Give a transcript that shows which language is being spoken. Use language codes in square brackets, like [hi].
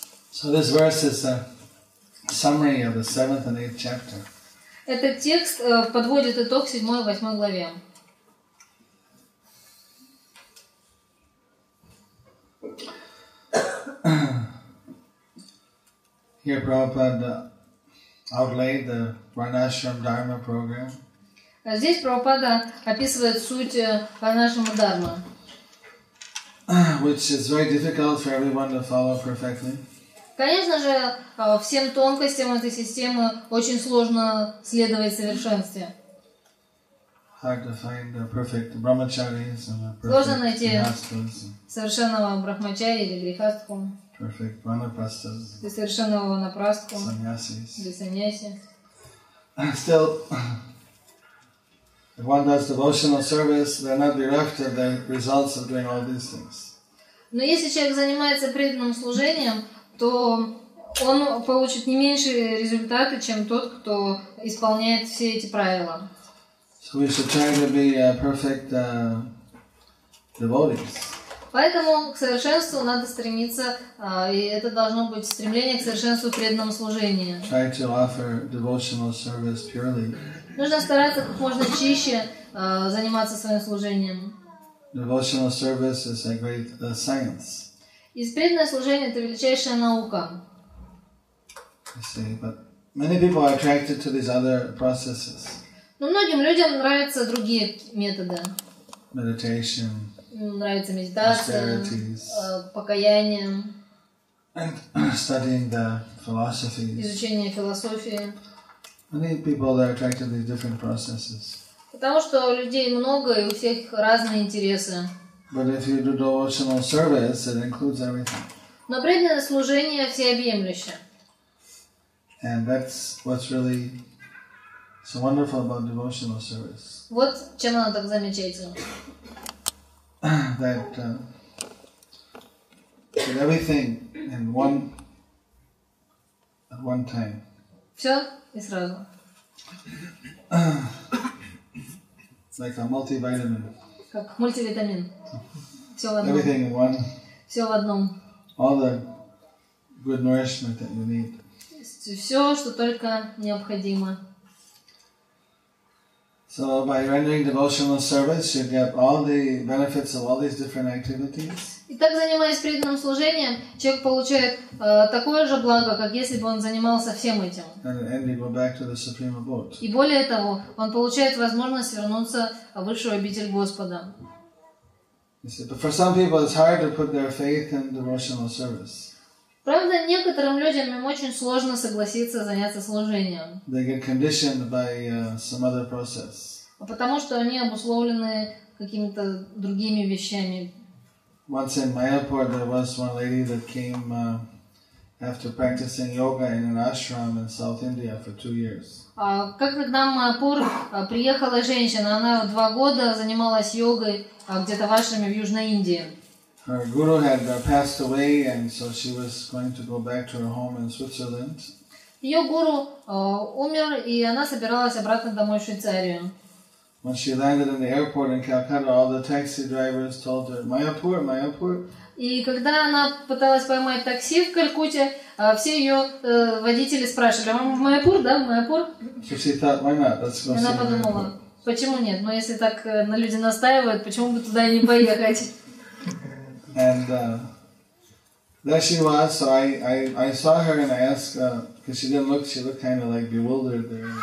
[en] So this verse is a summary of the 7th and 8th chapter. [ru] Этот текст подводит итог 7 и 8 главе. [en] Here Prabhupada outlaid the Varnashram Dharma program. [ru] Здесь Прабхупада описывает суть по нашему дарму. [en] which is very difficult for everyone to follow perfectly. [ru] Конечно же, всем тонкостям этой системы очень сложно следовать совершенстве. [en] Hard to find a perfect brahmacharis and a perfect [ru] Сложно найти совершенного брахмачари или грихастху. [en] Perfect vanaprasthas. [ru] Для совершенного ванапрастху. [en] Саньясис. [ru] Для саньяси. [en] Still, if one does devotional service, they are not bereft of the results of doing all these things. [ru] Но если человек занимается преданным служением, то он получит не меньшие результаты, чем тот, кто исполняет все эти правила. [en] So we should try to be perfect devotees. [ru] Поэтому к совершенству надо стремиться, и это должно быть стремление к совершенству в преданном служении. [en] Try to offer devotional service purely. [ru] Нужно стараться как можно чище заниматься своим служением. [en] Devotional service is a great science. [ru] И преданное служение – это величайшая наука. [en] I see, but many people are attracted to these other processes. [ru] Но многим людям нравятся другие методы. [en] Meditation. [ru] Нравится медитация, покаяние. [en] And studying the philosophies. [ru] Изучение философии. [en] Many people are attracted to these different processes. [ru] Потому что людей много и у всех разные интересы. [en] But if you do devotional service, it includes everything. [ru] Но преданное служение всеобъемлюще. [en] And that's what's really so wonderful about devotional service. [ru] Вот чем оно так замечательно. [en] That with everything in one at one time. [ru] Все и сразу. [en] Like a multivitamin. [ru] Как мультивитамин. Все в одном. [en] Everything in one. [ru] Все в одном. [en] All the good nourishment that you need. [ru] Все, что только необходимо. [en] So by rendering devotional service, you get all the benefits of all these different activities. [ru] Итак, занимаясь преданным служением, человек получает такое же благо, как если бы он занимался всем этим. [en] And you go back to the supreme abode. [ru] И более того, он получает возможность вернуться в высшую обитель Господа. [en] You see, but for some people, it's hard to put their faith in devotional service. [ru] Правда, некоторым людям им очень сложно согласиться заняться служением. [en] They get conditioned by some other process. [ru] Потому что они обусловлены какими-то другими вещами. [en] Once in Mayapur, there was one lady that came after practicing yoga in an ashram in South India for 2 years. [ru] Как к нам в Майапур приехала женщина, она 2 года занималась йогой где-то в ашраме в Южной Индии. [en] Her guru had passed away, and so she was going to go back to her home in Switzerland. [ru] Ее гуру умер, и она собиралась обратно домой в Швейцарию. [en] When she landed in the airport in Calcutta, all the taxi drivers told her, "Mayapur, Mayapur." [ru] И когда она пыталась поймать такси в Калькутте, все ее водители спрашивали, "Вам в Майапур, да, в Майапур?" [en] So she thought, "Why not? Let's go see [ru] Майапур." Почему нет? Но если так на люди настаивают, почему бы туда и не поехать? [en] And there she was, so I saw her and I asked, because she looked kind of like bewildered there.